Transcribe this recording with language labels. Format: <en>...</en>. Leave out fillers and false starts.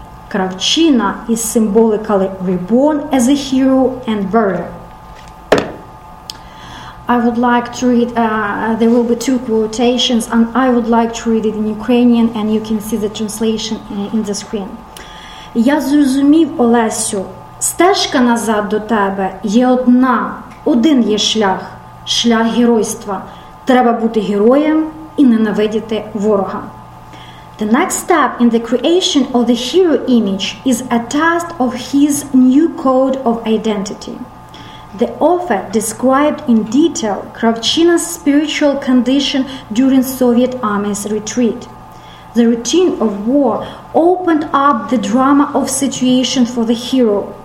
<en>Kravchina is symbolically reborn as a hero and warrior. I would like to read, there will be two quotations, and I would like to read it in Ukrainian, and you can see the translation in the screen.</en> <uk>Я зрозумів, Олесю, стежка назад до тебе є одна, один є шлях, шлях геройства. Треба бути героєм і ненавидіти ворога.</uk> <en>The next step in the creation of the hero image is a test of his new code of identity. The author described in detail Kravchina's spiritual condition during Soviet Army's retreat. The routine of war opened up the drama of situation for the hero.</en>